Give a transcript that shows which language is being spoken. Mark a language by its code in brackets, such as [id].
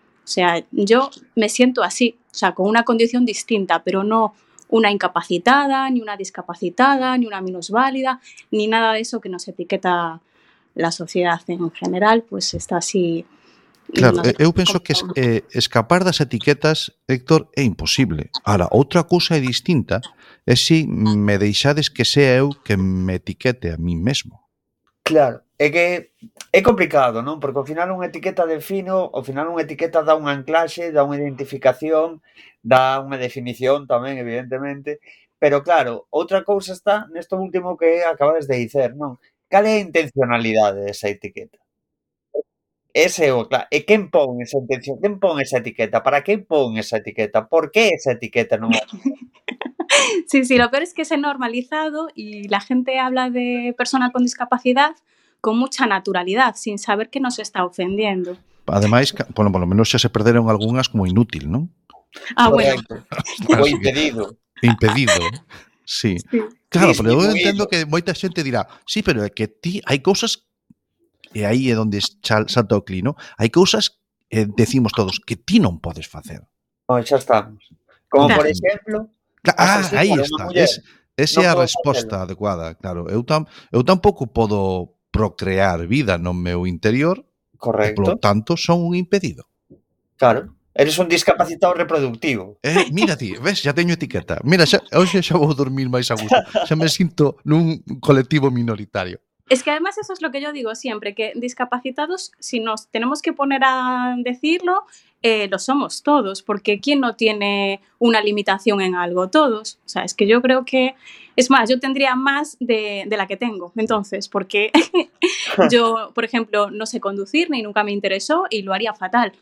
[es] O sea, yo me siento así, o sea, con una condición distinta, pero no una incapacitada, ni una discapacitada, ni una minusválida, ni nada de eso que nos etiqueta la sociedad en general, pues está así. [gl] Claro, eu penso que escapar das etiquetas, Héctor, é imposible. Ahora, outra cousa é distinta, é se me deixades que sea eu que me etiquete a mí mesmo. Claro, é que é complicado, non? Porque ao final unha etiqueta defino, ao final unha etiqueta dá un anclaxe, dá unha identificación, dá unha definición tamén, evidentemente. Pero claro, outra cousa está nesto último que acabades de dicer, non? Cal é a intencionalidade desa etiqueta? Ese é o, claro. E quen pon esa intención? Quen pon esa etiqueta? Para quen pon esa etiqueta? Por que esa etiqueta? Non? [es] sí, lo peor es que se normalizado e la gente habla de persona con discapacidad con mucha naturalidad, sin saber que nos está ofendiendo. [gl] Ademais, bueno, [es] por lo menos [gl] xa se perderon algunhas como inútil, non? Ah, bueno. O impedido. Impedido, sí. Claro, pero eu entendo que moita xente dirá sí, pero é que ti hai cousas. E aí é onde salta o clino. Hai cousas, decimos todos, que ti non podes facer. Xa estamos. Como, por exemplo... Aí está. Esa é a resposta adecuada, claro. Eu tampouco podo procrear vida no meu interior. Correcto. Por tanto, son un impedido. Claro. Eres un discapacitado reproductivo. Mira ti, ves, xa teño etiqueta. Mira, xa vou dormir máis a gusto. Xa me sinto nun colectivo minoritario. [es] Es que además eso es lo que yo digo siempre, que discapacitados, si nos tenemos que poner a decirlo, lo somos todos, porque ¿quién no tiene una limitación en algo? Todos. O sea, es que yo creo que Es más, yo tendría más de la que tengo, entonces, porque yo, por ejemplo, no sé conducir ni nunca me interesó y lo haría fatal.